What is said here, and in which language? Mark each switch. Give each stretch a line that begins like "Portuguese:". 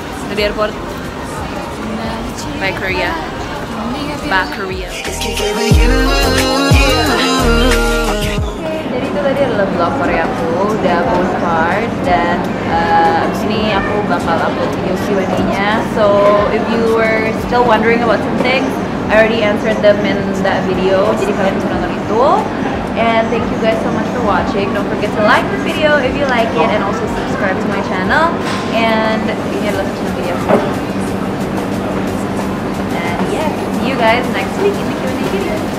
English: Dari airport. Bye Korea. Bye Korea.
Indonesian: Jadi itu tadi adalah vlog Koreaku. Udah postcard. Dan abis ini aku bakal upload video Q&A-nya.
English: So, if you were still wondering about something, I already answered them in that video.
Indonesian: Jadi kalian bisa nonton itu.
English: And thank you guys so much for watching. Don't forget to like this video if you like it, and also subscribe to my channel.
Indonesian: And ini adalah satu video.
English: And yeah, see you guys next week in the Q&A video.